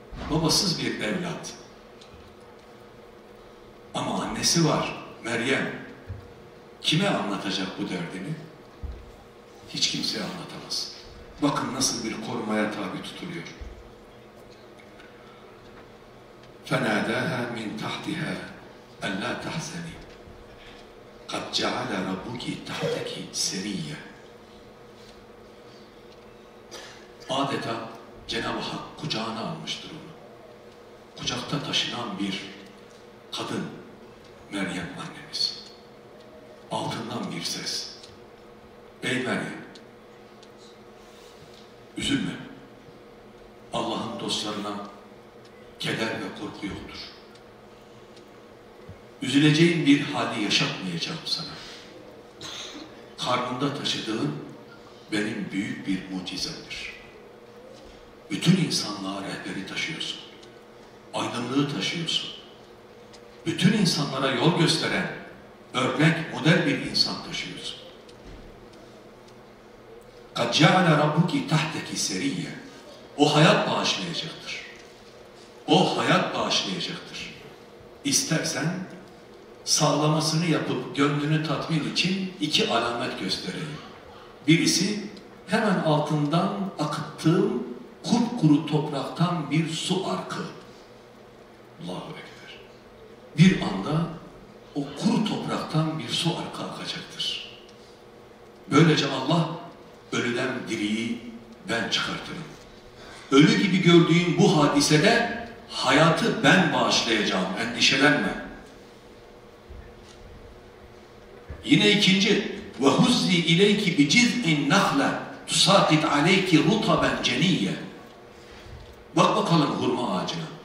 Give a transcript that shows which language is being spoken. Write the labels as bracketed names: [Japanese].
[Turkish] Babasız bir evlat. Ama annesi var, Meryem. Kime anlatacak bu derdini? Hiç kimseye anlatamaz. Bakın nasıl bir korumaya tabi tutuluyor. [Arabic] فَنَادَاهَا مِنْ تَحْتِهَا أَلَّا تَحْزَنِي قَدْ جَعَلَ رَبُّكِ تَحْتَكِ سَرِيَّ [Turkish] Adeta Cenab-ı Hak kucağına almıştır onu. Kucakta taşınan bir kadın, Meryem annemiz. Altından bir ses. Ey Meryem, üzülme. Allah'ın dostlarına keder ve korku yoktur. Üzüleceğin bir hali yaşatmayacağım sana. Karnında taşıdığın benim büyük bir mucizemdir. Bütün insanlığa rehberi taşıyorsun. Aydınlığı taşıyorsun. Bütün insanlara yol gösteren, örnek, model bir insan taşıyorsun. [Arabic] قَدْ جَعَلَ رَبُّكِ تَحْتَكِ سَرِيَّ [Turkish] O hayat bağışlayacaktır. O hayat bağışlayacaktır. İstersen sallamasını yapıp gönlünü tatmin için iki alamet göstereyim. Birisi hemen altından akıttığım kupkuru topraktan bir su arkı. Allahu Ekber. Bir anda o kuru topraktan bir su arkı akacaktır. Böylece Allah ölüden diriyi ben çıkartırım. Ölü gibi gördüğün bu hadisede hayatı ben bağışlayacağım, endişelenme. Yine ikinci [Arabic] وَهُزِّ اِلَيْكِ بِجِذْءِ النَّخْلَ تُسَاقِدْ عَلَيْكِ رُطَبًا جَنِيَّ [Turkish] Bak bakalım hurma ağacına.